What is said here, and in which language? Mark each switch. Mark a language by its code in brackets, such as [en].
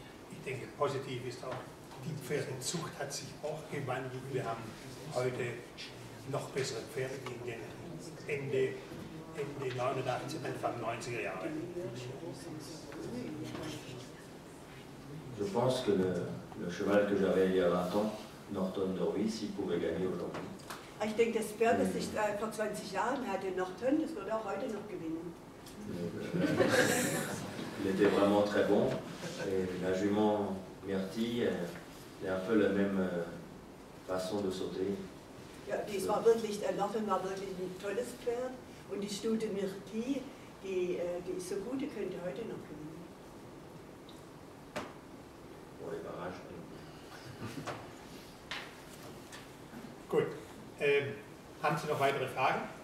[de] Ich denke, positiv ist auch, die Pferdezucht hat sich auch gewandelt. Wir haben heute noch bessere Pferde in den Ende 89, Anfang 90er Jahre. [fr] Je pense que le cheval que j'avais il y a 20 ans, Norton Dorwis, il pouvait gagner aujourd'hui. [de] Ich denke, das Pferd, das ich vor 20 Jahren hatte, Norton, das würde auch heute noch gewinnen. [fr] Il était vraiment très bon. Et la jument Myrti, elle a un peu la même façon de sauter. [de] Ja, das war wirklich, Norton war wirklich ein tolles Pferd. Und die Stute Myrti, die ist so gut, die könnte heute noch gewinnen. Gut. Haben Sie noch weitere Fragen?